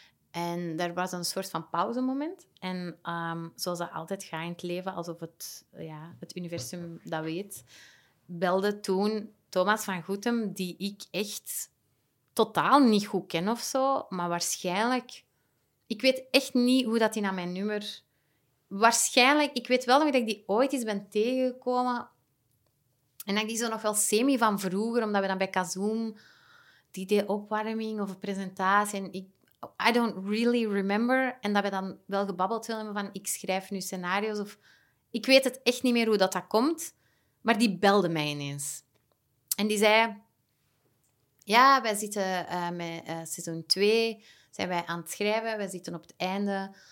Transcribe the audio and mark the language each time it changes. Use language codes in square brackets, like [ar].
[nl] En er was een soort van pauzemoment. En zoals dat altijd gaat in het leven, alsof het universum dat weet, belde toen Thomas van Goethem, die ik echt totaal niet goed ken of zo, maar waarschijnlijk... Ik weet echt niet hoe dat hij naar mijn nummer waarschijnlijk, ik weet wel nog dat ik die ooit eens ben tegengekomen. En dat ik die zo nog wel semi van vroeger, omdat we dan bij Kazoom die deed opwarming of een presentatie. En ik, [en] I don't really remember. [nl] En dat we dan wel gebabbeld hebben van ik schrijf nu scenario's. Of ik weet het echt niet meer hoe dat komt. Maar die belde mij ineens. En die zei, ja, wij zitten met seizoen 2, zijn wij aan het schrijven, wij zitten op het einde.